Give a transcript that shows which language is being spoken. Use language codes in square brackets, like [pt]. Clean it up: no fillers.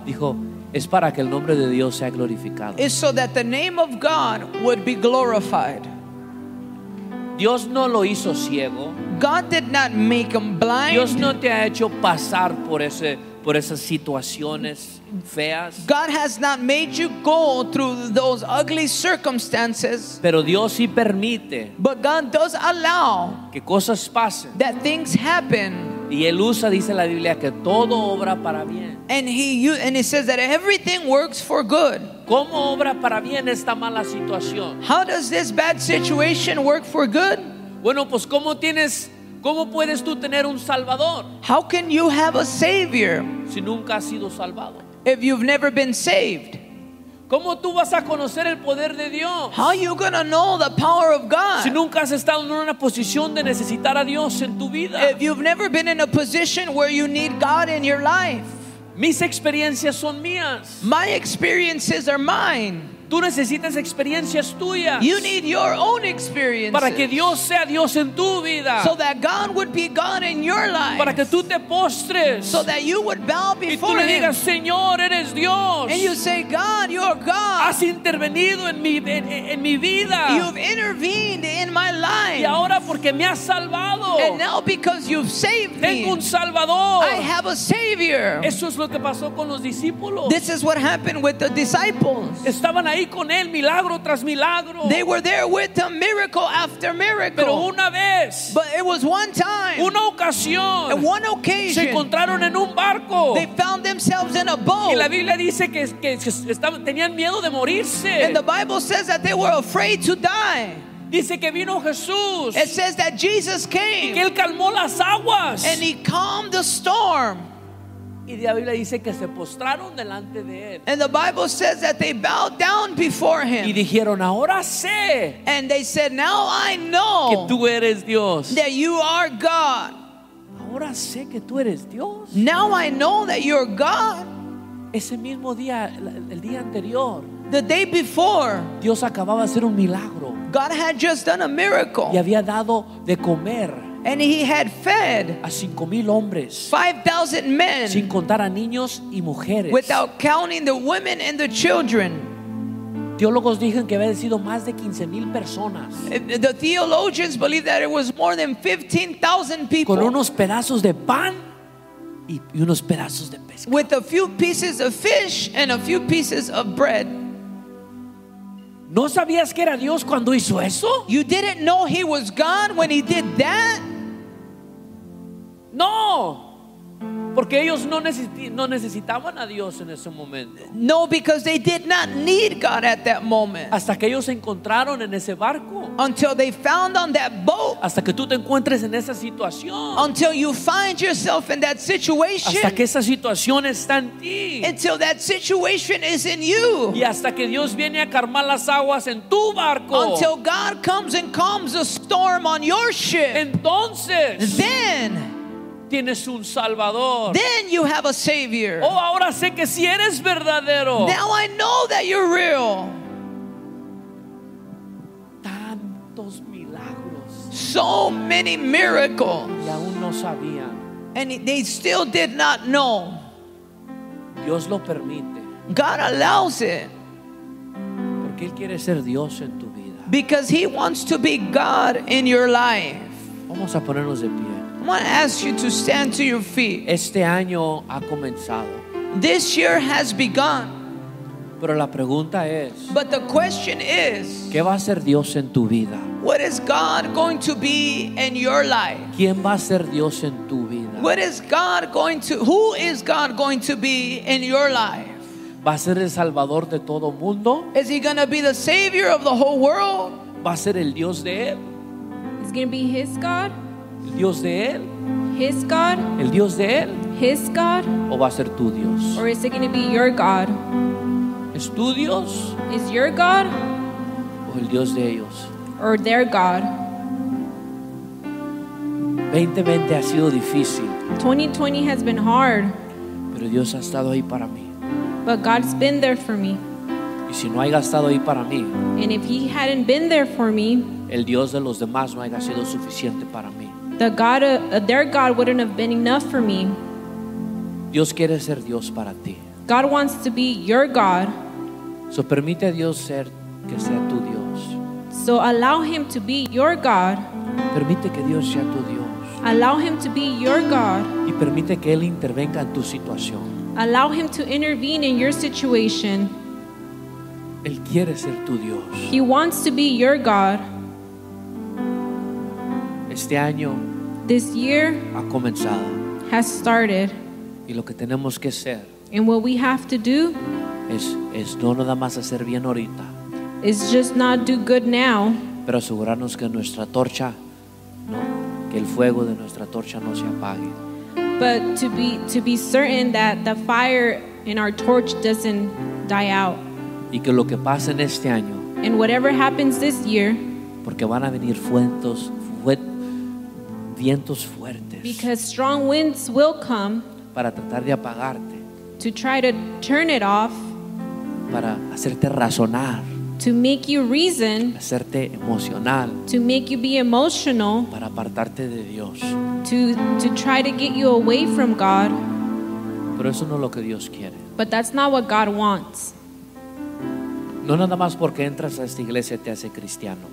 [es] Dijo, es para que el nombre de Dios sea glorificado. [en] It's so that the name of God would be glorified. [es] Dios no lo hizo ciego. [en] God did not make him blind. [es] Dios no te ha hecho pasar por esas situaciones feas. [en] God has not made you go through those ugly circumstances. [es] Pero Dios sí permite. [en] But God does allow. [es] Que cosas pasen. [en] That things happen. [es] Y él usa, dice la Biblia, que todo obra para bien. [en] And it says that everything works for good. [es] ¿Cómo obra para bien esta mala situación? [en] How does this bad situation work for good? [es] Bueno, pues cómo tienes. ¿Cómo puedes tú tener un salvador? [en] How can you have a savior? [es] Si nunca has sido salvado. [en] If you've never been saved. [es] ¿Cómo tú vas a conocer el poder de Dios? [en] How are you going to know the power of God? [es] Si nunca has estado en una posición de necesitar a Dios en tu vida. [en] If you've never been in a position where you need God in your life. [es] Mis experiencias son mías. [en] My experiences are mine. [es] Tú necesitas experiencias tuyas. [en] You need your own experiences. [es] Para que Dios sea Dios en tu vida. [en] So that God would be God in your life. [es] Para que tú te postres. [en] So that you would bow before Him. [es] Y tú le digas, Señor, eres Dios. [en] And you say, God, you're God. [es] Has intervenido en mi vida. [en] You've intervened in my life. [es] Y ahora porque me has salvado. [en] And now because you've saved me. [es] Tengo un Salvador. [en] I have a Savior. [es] Eso es lo que pasó con los discípulos. [en] This is what happened with the disciples. [es] Estaban ahí con él, milagro tras milagro. [en] They were there with him, miracle after miracle. [es] Pero una vez, [en] but it was one time, [es] una ocasión, [en] at one occasion, [es] se encontraron en un barco. [en] They found themselves in a boat. [es] Y la Biblia dice que estaban, tenían miedo de morirse. [en] And the Bible says that they were afraid to die. [es] Dice que vino Jesús. [en] It says that Jesus came. [es] Y que él calmó las aguas. [en] And he calmed the storm. [es] Y la Biblia dice que se postraron delante de él. [en] And the Bible says that they bowed down before him. [es] Y dijeron, ahora sé. [en] And they said, now I know. [es] Que tú eres Dios. [en] That you are God. [es] Ahora sé que tú eres Dios. [en] Now I know that you're God. [es] Ese mismo día, el día anterior. [en] The day before, [es] Dios acababa de hacer un milagro. [en] God had just done a miracle. [es] Y había dado de comer. [en] And he had fed 5,000 men, [es] sin contar a niños y mujeres, [en] without counting the women and the children. [es] Teólogos dicen que había sido más de 15,000 personas. [en] The theologians believe that it was more than 15,000 people. [es] Con unos pedazos de pan y unos pedazos de pesca. [en] With a few pieces of fish and a few pieces of bread. [es] ¿No sabías que era Dios cuando hizo eso? [en] You didn't know he was God when he did that? [es] No. Porque ellos no necesitaban a Dios en ese momento. [en] No, because they did not need God at that moment. [es] Hasta que ellos se encontraron en ese barco. [en] Until they found on that boat. [es] Hasta que tú te encuentres en esa situación. [en] Until you find yourself in that situation. [es] Hasta que esa situación está en ti. [en] Until that situation is in you. [es] Y hasta que Dios viene a calmar las aguas en tu barco. [en] Until God comes and calms a storm on your ship. [es] Entonces. [en] Then. [es] Tienes un Salvador. [en] Then you have a Savior. [es] Oh, ahora sé que si eres verdadero. [en] Now I know that you're real. [es] Tantos milagros. [en] So many miracles. [es] Y aún no sabían. [en] And they still did not know. [es] Dios lo permite. [en] God allows it. [es] Porque Él quiere ser Dios en tu vida. [en] Because He wants to be God in your life. [es] Vamos a ponernos de pie. [en] I want to ask you to stand to your feet. [es] Este año ha comenzado. [en] This year has begun. [es] Pero la pregunta es, [en] but the question is, [es] ¿qué va a ser Dios en tu vida? [en] What is God going to be in your life? [es] ¿Quién va a ser Dios en tu vida? [en] What is God going to, who is God going to be in your life? [es] ¿Va a ser el Salvador de todo mundo? [en] Is he going to be the Savior of the whole world? [es] ¿Va a ser el Dios de él? [en] Is going to be his God? [es] Dios de él. [en] His God. [es] El Dios de él. [en] His God. [es] O va a ser tu Dios. [en] Or is it going to be your God? [es] ¿Es tu Dios? [en] Is your God. [es] O el Dios de ellos. [en] Or their God. [es] 2020 ha sido difícil. [en] 2020 has been hard. [es] Pero Dios ha estado ahí para mí. [en] But God's been there for me. [es] Y si no haya estado ahí para mí. [en] And if he hadn't been there for me. [es] El Dios de los demás no haya sido suficiente para mí. [en] The God, their God wouldn't have been enough for me. [es] Dios quiere ser Dios para ti. [en] God wants to be your God. [es] So permite a Dios ser, que sea tu Dios. [en] So allow him to be your God. [es] Permite que Dios sea tu Dios. [en] Allow him to be your God. [es] Y permite que él intervenga en tu situación. [en] Allow him to intervene in your situation. [es] Él quiere ser tu Dios. [en] He wants to be your God. [es] Este año, [en] this year, [es] ha comenzado, [en] has started, [es] y lo que tenemos que hacer, [en] and what we have to do, [es] es no nada más hacer bien ahorita, [en] is just not do good now, [es] pero asegurarnos que nuestra torcha, no, que el fuego de nuestra torcha no se apague, [en] but to be certain that the fire in our torch doesn't die out, [es] y que lo que pase en este año, [en] and whatever happens this year, [es] porque van a venir fuentes. Vientos fuertes. [en] Because strong winds will come. [es] Para tratar de apagarte. [en] To try to turn it off. [es] para hacerte razonar. [en] To make you reason, [es] hacerte emocional, [en] to make you be emotional, [es] para apartarte de Dios, [en] to try to get you away from God. [es] Pero eso no es lo que Dios quiere. [en] But that's not what God wants. [es] No nada más porque entras a esta iglesia te hace cristiano.